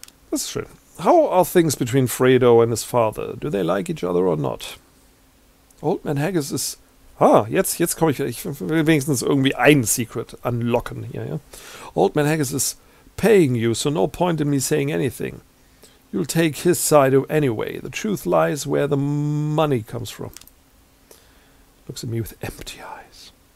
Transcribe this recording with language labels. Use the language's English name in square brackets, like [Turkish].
[English] That's true. How are things between Fredo and his father? Do they like each other or not? Old Man Haggis is... [German] Ah, jetzt komme ich. Ich will wenigstens irgendwie ein Secret unlocken hier. [English] Ja? Old Man Haggis is paying you, so no point in me saying anything. You'll take his side anyway. The truth lies where the money comes from. looks at me with empty eyes.